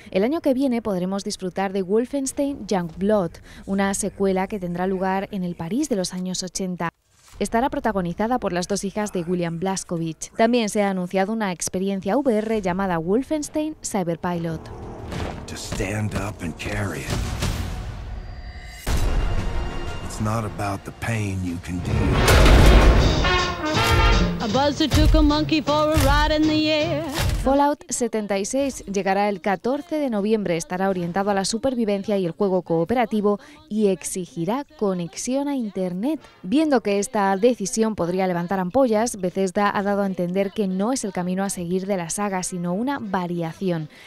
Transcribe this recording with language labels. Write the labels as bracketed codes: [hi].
[es] El año que viene podremos disfrutar de Wolfenstein Youngblood, una secuela que tendrá lugar en el París de los años 80. Estará protagonizada por las dos hijas de William Blazkowicz. También se ha anunciado una experiencia VR llamada Wolfenstein Cyberpilot. [en] To stand up and carry it. It's not about the pain you can deal. A buzzer took a monkey for a ride in the air. [es] Fallout 76 llegará el 14 de noviembre, estará orientado a la supervivencia y el juego cooperativo y exigirá conexión a Internet. Viendo que esta decisión podría levantar ampollas, Bethesda ha dado a entender que no es el camino a seguir de la saga, sino una variación.